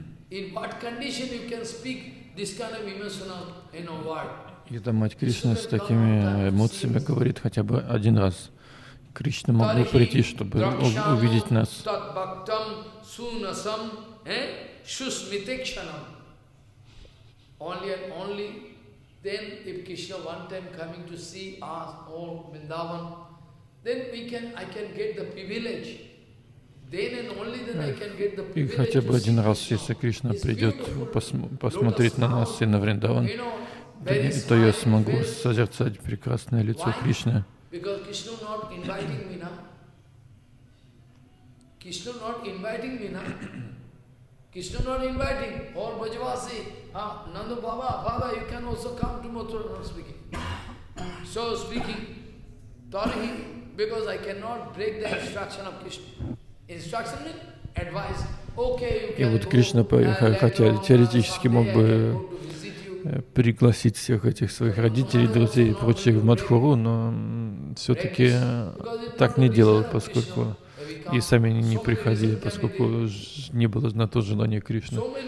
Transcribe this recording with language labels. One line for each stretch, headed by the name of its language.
English: In what condition you can speak this kind of emotional in a word?
Russian: Это мать Кришна с такими эмоциями говорит хотя бы один раз. Кришна мог бы прийти, чтобы увидеть нас.
Sanskrit: Татбактам сунасам шусмитекшанам.
English: Only and only then if Krishna one time coming to see us all Vrindavan, then we can, I can get the privilege. Then and only then I can get the privilege.
Russian: И хотя бы один раз, если Кришна придет посмотреть на нас и на Вриндаван, то я смогу созерцать прекрасное лицо Кришны.
English: Because Krishna not inviting me now. Krishna not inviting me now. Krishna not inviting all Bhajavasi. Nanda Baba, Baba, you can also come to Mathura. Not speaking. So speaking, Tarihi, because I cannot break the instruction of Krishna. Instruction means advice. Okay, you can.
Russian: И вот Кришна, хотя теоретически мог бы пригласить всех этих своих родителей, друзей и прочих в Мадхуру, но все-таки так не делал, поскольку и сами они не приходили, поскольку не было на то желание Кришны.